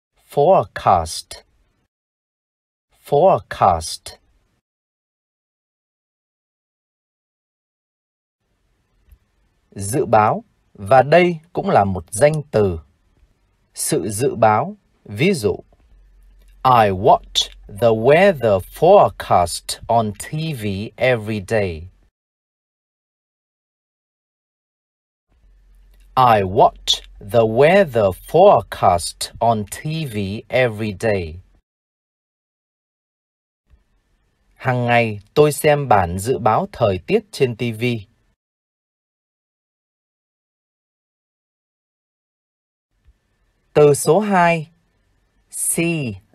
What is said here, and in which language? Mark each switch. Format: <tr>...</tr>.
<en>Forecast. Forecast.</en> <vi>Dự báo, và đây cũng là một danh từ. Sự dự báo, ví dụ,</vi> <en>I watch the weather forecast on TV every day. I watch the weather forecast on TV every day.</en> <vi>Hàng ngày tôi xem bản dự báo thời tiết trên TV. Từ số 2, see.</vi>